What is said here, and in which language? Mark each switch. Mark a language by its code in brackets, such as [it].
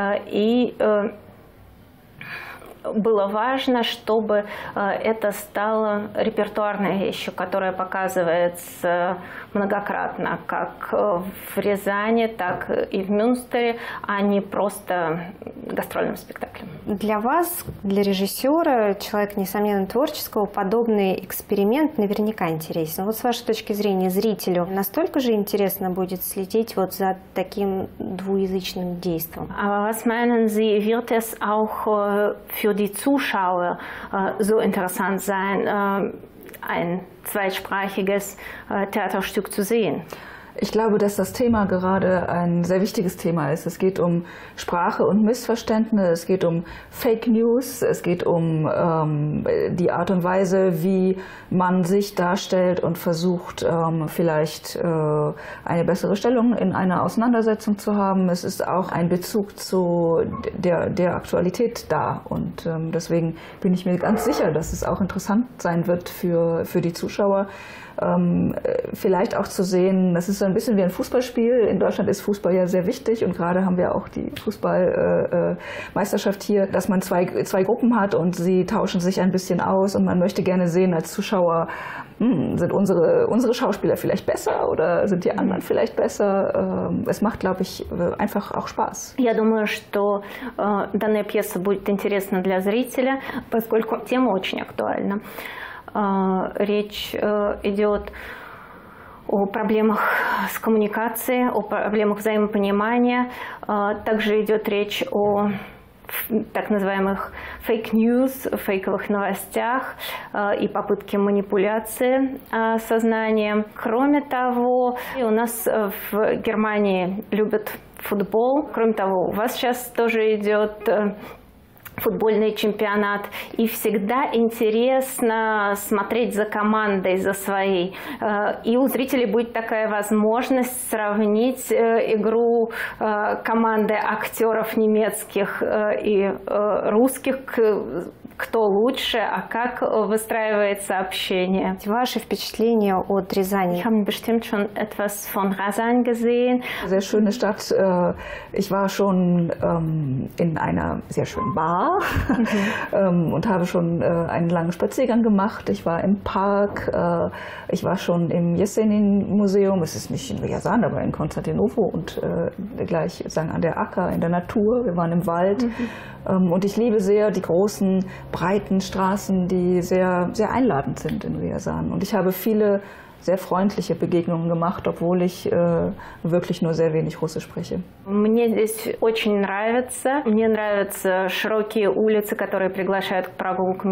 [ru] И было важно, чтобы это стало репертуарной вещью, которая показывается многократно, как в Рязани, так и в Мюнстере, а не просто гастрольным спектаклем. Для вас, для режиссера, человека, несомненно, творческого, подобный эксперимент наверняка интересен. Вот с вашей точки зрения, зрителю настолько же интересно будет следить вот за таким двуязычным действием? [de] Was meinen Sie, wird es auch für die Zuschauer so interessant sein, ein zweisprachiges Theaterstück zu sehen? Ich glaube, dass das Thema gerade ein sehr wichtiges Thema ist. Es geht um Sprache und Missverständnisse, es geht um Fake News, es geht um die Art und Weise, wie man sich darstellt und versucht, vielleicht eine bessere Stellung in einer Auseinandersetzung zu haben. Es ist auch ein Bezug zu der Aktualität da. Und deswegen bin ich mir ganz sicher, dass es auch interessant sein wird für die Zuschauer, vielleicht auch zu sehen, das ist so ein bisschen wie ein Fußballspiel. In Deutschland ist Fußball ja sehr wichtig und gerade haben wir auch die Fußballmeisterschaft hier, dass man zwei Gruppen hat und sie tauschen sich ein bisschen aus und man möchte gerne sehen als Zuschauer, sind unsere Schauspieler vielleicht besser oder sind die anderen vielleicht besser? Es macht, glaube ich, einfach auch Spaß. [ru] Я думаю, что данная пьеса будет интересна для зрителя, поскольку тема очень актуальна. Речь идет о проблемах с коммуникацией, о проблемах взаимопонимания. Также идет речь о так называемых fake news, фейковых новостях и попытке манипуляции сознанием. Кроме того, у нас в Германии любят футбол. Кроме того, у вас сейчас тоже идет футбольный чемпионат, и всегда интересно смотреть за командой, за своей. И у зрителей будет такая возможность сравнить игру команды актеров немецких и русских, кто лучше, а как выстраивается общение. Ваши впечатления от Рязани? [de] Ich habe bestimmt schon etwas von Rязань gesehen. Sehr schöne Stadt. Ich war schon in einer sehr schönen Bar. und habe schon einen langen Spaziergang gemacht. Ich war im Park, ich war schon im Jesenin-Museum, es ist nicht in Riazan, aber in Konstantinovo und gleich sagen, an der Acker, in der Natur. Wir waren im Wald und ich liebe sehr die großen, breiten Straßen, die sehr, sehr einladend sind in Riazan. Und ich habe viele sehr freundliche Begegnungen gemacht, obwohl ich wirklich nur sehr wenig Russisch spreche. [ru] Мне здесь очень нравится. Мне нравятся широкие улицы, которые приглашают к прогулкам.